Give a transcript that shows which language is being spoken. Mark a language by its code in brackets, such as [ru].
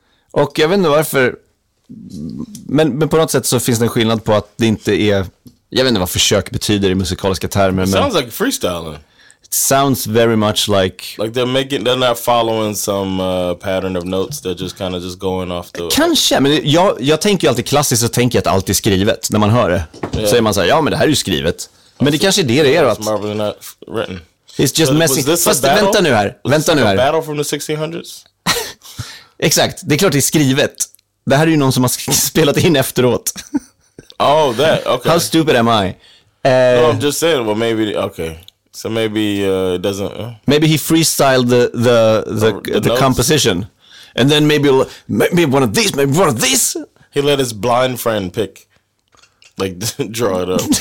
[sv] Och jag vet inte varför, men på något sätt så finns det en skillnad på att det inte är, jag vet inte vad försök betyder i musikaliska termer. [en] It [sv] men [en] sounds like freestyling. It sounds very much like, like they're making, they're not following some pattern of notes, they're just kind of just going off the... [sv] Kanske, men jag tänker ju alltid klassiskt, så tänker jag att allt är skrivet när man hör det. [en] Yeah. [sv] Säger man så här, ja men det här är ju skrivet. Also, men det kanske är det är att [en] Marvel is not written. It's just so messing. [sv] Fast vänta nu här. Vänta nu här. [en] A battle from the 1600s? [sv] Exakt. Det är klart det är skrivet. Det här är ju någon som har spelat in efteråt. [en] Oh, that. Okay. How stupid am I? No, I'm just saying, well, maybe, okay. So maybe it doesn't... Maybe he freestyled the composition. And then maybe one of these, maybe one of these. He let his blind friend pick, like, draw it up.